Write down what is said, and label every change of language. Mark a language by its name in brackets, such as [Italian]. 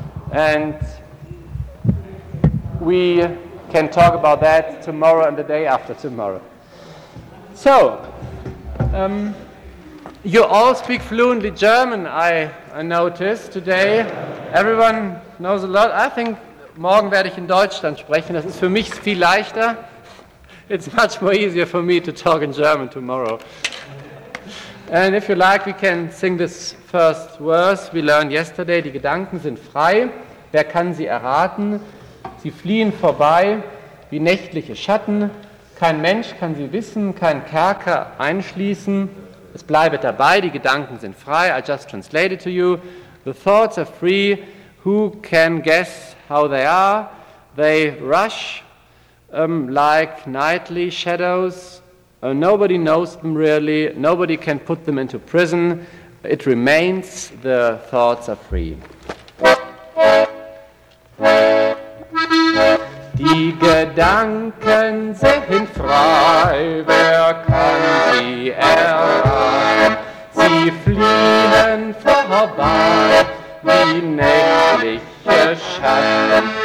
[English] And we can talk about that tomorrow and the day after tomorrow. So, you all speak fluently German, I noticed today. Everyone knows a lot. I think [German] morgen werde ich in Deutschland sprechen. Das ist für mich viel leichter. [English] It's much more easier for me to talk in German tomorrow. And if you like, we can sing this first verse we learned yesterday. [German] Die Gedanken sind frei. Wer kann sie erraten? Sie fliehen vorbei wie nächtliche Schatten. Kein Mensch kann sie wissen, kein Kerker einschließen. Es bleibe dabei, die Gedanken sind frei. [English] I just translated to you. The thoughts are free. Who can guess how they are? They rush like nightly shadows. Nobody knows them really. Nobody can put them into prison. It remains, the thoughts are free. [German] Die Gedanken sind frei, wer kann sie erraten? Sie fliehen vorbei wie nächtliche Schatten.